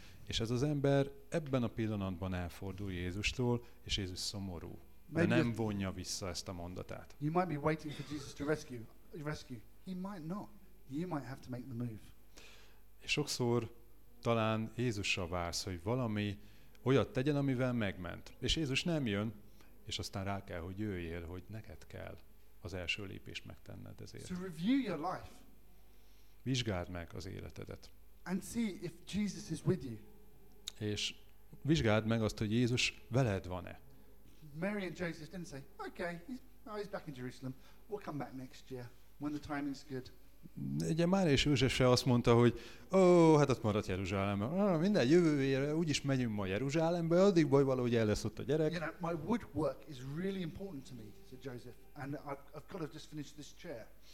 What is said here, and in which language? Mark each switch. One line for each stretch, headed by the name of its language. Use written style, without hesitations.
Hungarian: És ez az ember ebben a pillanatban elfordul Jézustól, és Jézus szomorú. De nem vonja vissza ezt a mondatát.
English: You might be waiting for Jesus to rescue. He might not. You might have to make the move.
Hungarian: És sokszor talán Jézusra vársz, hogy valami olyat tegyen, amivel megment. És Jézus nem jön, és aztán rá kell, hogy jöjjél, hogy neked kell az első lépést megtenned ezért.
English: To review your life.
Hungarian: Vizsgáld meg az életedet.
English: And see if Jesus is with you.
Hungarian: És vizsgáld meg azt, hogy Jézus veled van-e.
English: Mary and Joseph didn't say, okay, he's back in Jerusalem. We'll come back next year when the timing is good.
Hungarian: Ugye Mária és József se azt mondta, hogy ó, hát ott maradt Jeruzsálembe. Minden jövő évre úgyis megyünk ma Jeruzsálembe, addig baj, valahogy el lesz ott a gyerek.
English: You know, my woodwork is really important to me, said Joseph, and I've kind of just finished this chair.